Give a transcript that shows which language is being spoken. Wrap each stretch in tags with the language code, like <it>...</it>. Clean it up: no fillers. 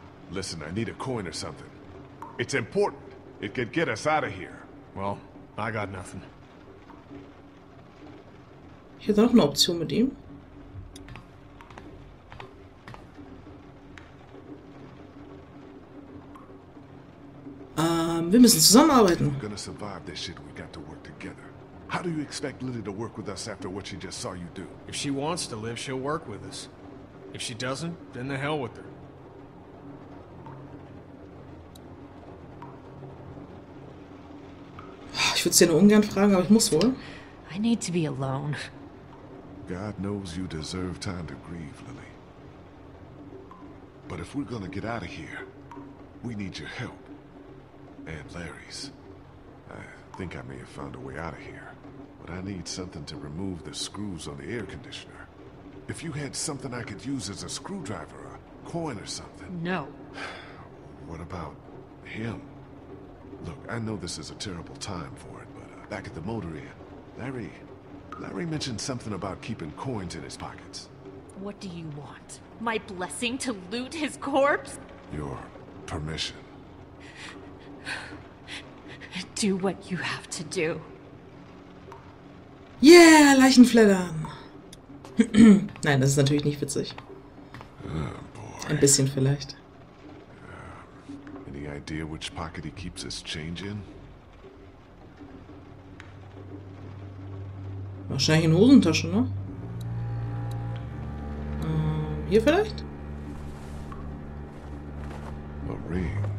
<en>Listen, I need a coin or something. It's important. It could get us out of here. Well, I got nothing.</en> <de>Hier ist noch eine Option mit ihm. Wir müssen zusammenarbeiten.</de> <en>We're gonna survive this shit. We got to work together. How do you expect Lily to work with us after what she just saw you do? If she wants to live, she'll work with us. If she doesn't, then the hell with her.</en> <de>Ich würde es dir nur ungern fragen, aber ich muss wohl.</de> <en>I need to be alone. God knows you deserve time to grieve, Lily. But if we're gonna get out of here, we need your help. And Larry's. I think I may have found a way out of here. But I need something to remove the screws on the air conditioner. If you had something I could use as a screwdriver, a coin or something. No. What about him? Look, I know this is a terrible time for it, but back at the motor inn, Larry mentioned something about keeping coins in his pockets. What do you want? My blessing to loot his corpse? Your permission. Do what you have to do.</en> <de>Yeah, Leichenfleddern! Nein, das ist natürlich nicht witzig.</de> <en>Oh, boy.</en> <de>Ein bisschen vielleicht.</de> <en>Idea which pocket he keeps his change in?</en> <de>Wahrscheinlich in Hosentasche, ne? Hier vielleicht?</de> <en>A ring.</en>